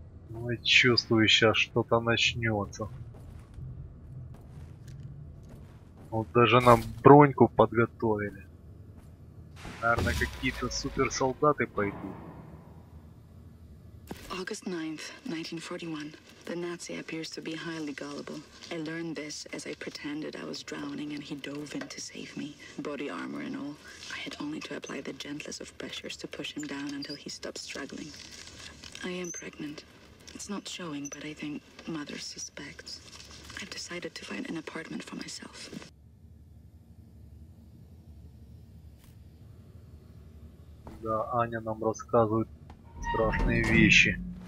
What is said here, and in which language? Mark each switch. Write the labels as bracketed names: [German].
[Russian] Ну, я чувствую, сейчас что-то начнется. Вот даже нам броньку подготовили. Наверное, какие-то суперсолдаты пойдут. [English] August 9th, 1941. The Nazi appears to be highly gullible. I learned this as I pretended I was drowning and he dove in to save me, body armor and all. I had only to apply the gentlest of pressures to push him down until he stopped struggling. I am pregnant. It's not showing, but I think mother suspects. I've decided to find an apartment for myself. [Russian] Да, Аня нам рассказывает страшные вещи.